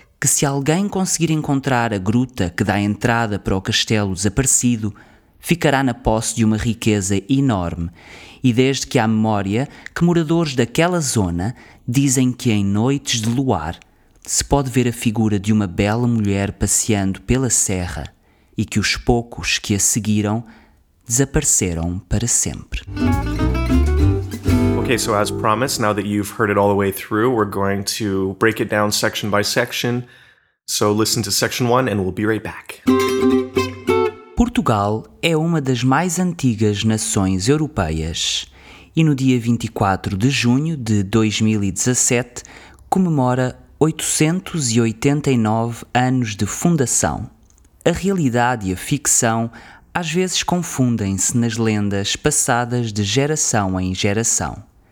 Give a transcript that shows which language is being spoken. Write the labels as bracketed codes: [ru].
[pt] que se alguém conseguir encontrar a gruta que dá entrada para o castelo desaparecido, ficará na posse de uma riqueza enorme, e desde que há memória que moradores daquela zona dizem que em noites de luar se pode ver a figura de uma bela mulher passeando pela serra e que os poucos que a seguiram desapareceram para sempre. [en] Okay, so as promised, now that you've heard it all the way through, we're going to break it down section by section. So listen to section 1 and we'll be right back. [pt] Portugal é uma das mais antigas nações europeias e no dia 24 de junho de 2017 comemora 889 anos de fundação. A realidade e a ficção às vezes confundem-se nas lendas passadas de geração em geração.